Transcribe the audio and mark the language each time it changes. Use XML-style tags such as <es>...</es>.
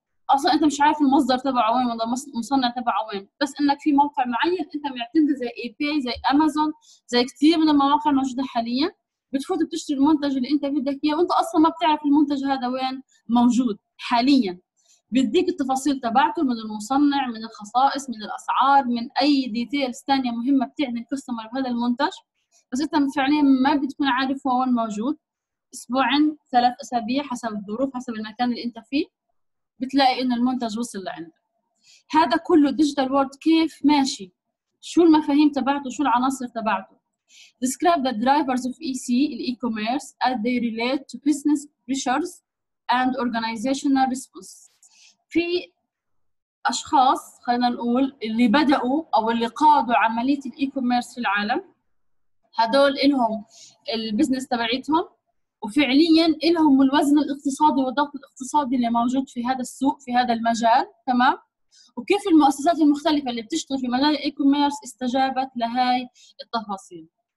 <ar>اصلا انت مش عارف المصدر تبعه وين ولا المصنع تبعه وين بس انك في موقع معين انت معتمد زي اي باي زي امازون زي كثير من المواقع الموجوده حاليا بتفوت بتشتري المنتج اللي انت بدك اياه وانت اصلا ما بتعرف المنتج هذا وين موجود حاليا بيديك التفاصيل تبعته من المصنع من الخصائص من الاسعار من اي ديتيلز ثانيه مهمه بتعني الكاستمر بهذا المنتج بس انت فعليا ما بتكون عارف هو وين موجود اسبوعين ثلاث اسابيع حسب الظروف حسب المكان اللي انت فيه بتلاقي ان المنتج وصل لعندك. هذا كله ديجيتال وورد كيف ماشي شو المفاهيم تبعته شو العناصر تبعته.</ar> <en>Describe the drivers of EC e-commerce as they relate to business pressures and organizational response.</en> <ar>في أشخاص خلينا نقول اللي بدأوا أو اللي قادوا عملية الإي كوميرس في العالم هدول إلهم البزنس تبعيتهم وفعلياً إلهم الوزن الاقتصادي والضغط الاقتصادي اللي موجود في هذا السوق في هذا المجال تمام وكيف المؤسسات المختلفة اللي بتشتغل في مجال الإي كوميرس استجابت لهاي التفاصيل.</ar>